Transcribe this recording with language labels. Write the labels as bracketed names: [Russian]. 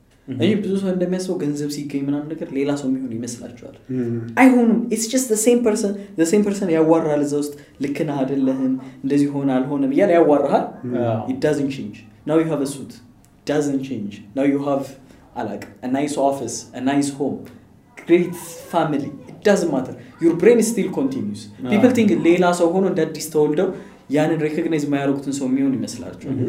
[Amharic] አይ ብዙ ሰው እንደሚያስበው ገንዘብ ሲገኝ ምናምን ነገር ሌላ ሰው የሚሆን ይመስላችኋል? አይሆንም። [English] ኢትስ ጀስት ዘ ሴም ፐርሰን [Amharic] ያዋራል እዛ ውስጥ ልክና አይደለህም እንደዚህ ሆነ አልሆነም ይያል ያዋራሃል። [English] It doesn't change. Now you have a suit. Doesn't change. Now you have a nice office, a nice home, great family. It doesn't matter. Your brain still continues. People think [Amharic] ሌላ ሰው ሆኖ እንደ አዲስ ተወልደው ያንን recognize ማያረጉትን ሰው የሚሆን ይመስላችኋል?